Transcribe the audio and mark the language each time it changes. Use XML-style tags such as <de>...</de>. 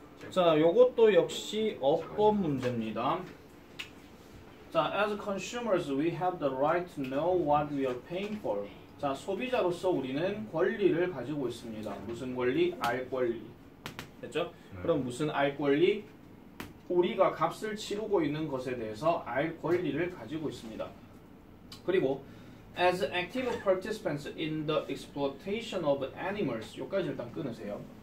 <ko>자, 요것도 역시 어법 문제입니다.</ko> <en>자, as consumers, we have the right to know what we are paying for.</en> <ko>자, 소비자로서 우리는 권리를 가지고 있습니다. 무슨 권리? 알 권리. 됐죠? 네. 그럼 무슨 알 권리? 우리가 값을 치르고 있는 것에 대해서 알 권리를 가지고 있습니다.</ko> <en>그리고 as active participants in the exploitation of animals,</en> <ko>여기까지 일단 끊으세요.</ko>